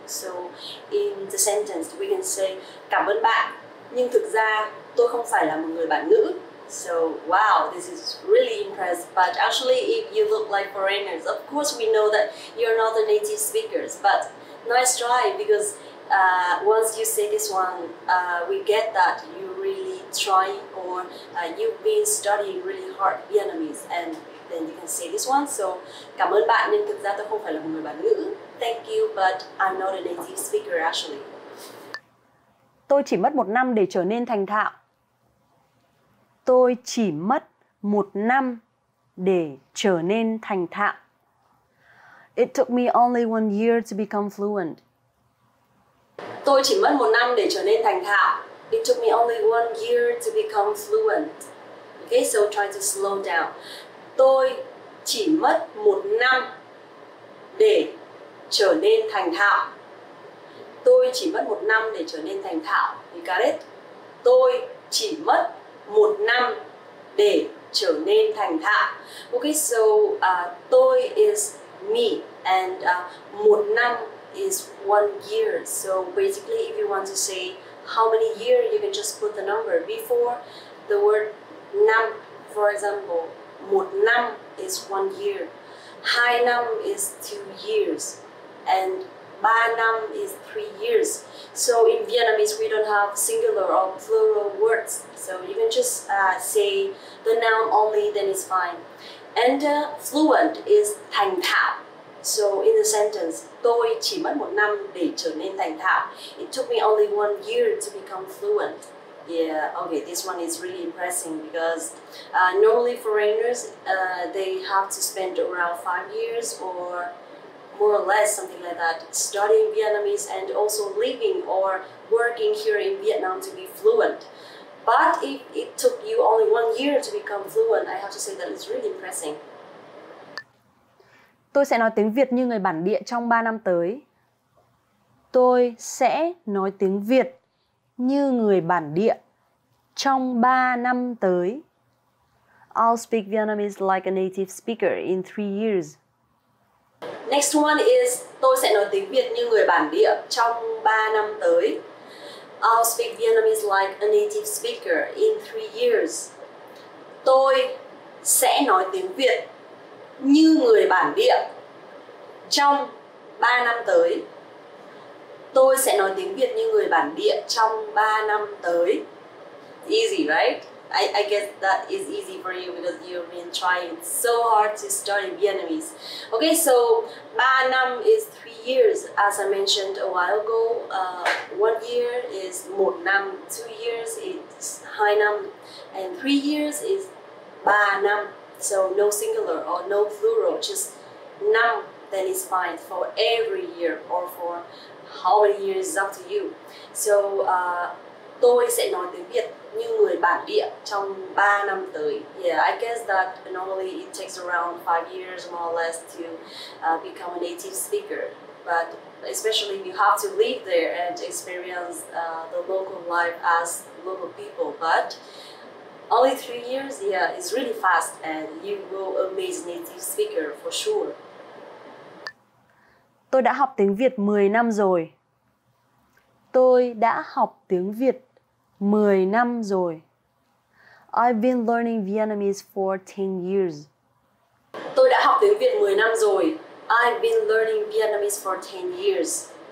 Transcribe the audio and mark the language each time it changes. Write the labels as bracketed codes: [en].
[en] So in the sentence we can say [vi] cảm ơn bạn, nhưng thực ra tôi không phải là một người bản ngữ. [en] So wow, this is really impressive. But actually, if you look like foreigners, of course we know that you're not the native speakers, but nice try, because once you say this one, we get that you really try or you've been studying really hard Vietnamese, and then you can say this one. [vi] So, cảm ơn bạn nhưng thực ra tôi không phải là một người bản ngữ. [en] Thank you, but I'm not a native speaker actually. [vi] Tôi chỉ mất một năm để trở nên thành thạo. Tôi chỉ mất một năm để trở nên thành thạo. [en] It took me only one year to become fluent. [vi] Tôi chỉ mất một năm để trở nên thành thạo. [en] It took me only one year to become fluent. Okay, so try to slow down. [vi] Tôi chỉ mất một năm để trở nên thành thạo. Tôi chỉ mất một năm để trở nên thành thạo. [en] You got it? [vi] Tôi chỉ mất một năm để trở nên thành thạo. [en] Okay, so tôi is me, and một năm is one year. So basically, if you want to say how many years, you can just put the number before the word năm. For example, một năm is one year, hai năm is 2 years, and ba năm is 3 years. So in Vietnamese, we don't have singular or plural words, so you can just say the noun only, then it's fine. And fluent is [vi] thành thạo. [en] So in the sentence, [vi] tôi chỉ mất một năm để trở nên thành thạo. [en] It took me only 1 year to become fluent. Yeah, okay, this one is really impressive, because normally foreigners, they have to spend around 5 years or more or less something like that studying Vietnamese and also living or working here in Vietnam to be fluent. But if it took you only 1 year to become fluent, I have to say that it's really impressive. [vi] Tôi sẽ nói tiếng Việt như người bản địa trong 3 năm tới. Tôi sẽ nói tiếng Việt như người bản địa trong 3 năm tới. [en] I'll speak Vietnamese like a native speaker in 3 years. Next one is [vi] tôi sẽ nói tiếng Việt như người bản địa trong 3 năm tới. [en] I'll speak Vietnamese like a native speaker in 3 years. Tôi [vi] sẽ nói tiếng Việt như người bản địa. Trong 3 năm tới, tôi sẽ nói tiếng Việt như người bản địa trong 3 năm tới. [en] Easy, right? I guess that is easy for you because you've been trying so hard to study Vietnamese. Okay, so 3 năm is 3 years. As I mentioned a while ago, 1 year is 1 năm, 2 years is 2 năm, and 3 years is 3 năm. So no singular or no plural, just năm, then it's fine for every year or for how many years is up to you. [vi] So tôi sẽ nói tiếng Việt như người bản địa trong 3 năm tới. [en] Yeah, I guess that normally it takes around 5 years more or less to become a native speaker. But especially you have to live there and experience the local life as local people. But only 3 years, yeah, it's really fast and you will be an amazing native speaker for sure. [vi] Tôi đã học tiếng Việt 10 năm rồi. Tôi đã học tiếng Việt 10 năm rồi. [en] I've been learning Vietnamese for 10 years. [vi] Tôi đã học tiếng Việt 10 năm rồi. [en] I've been learning Vietnamese for 10 years.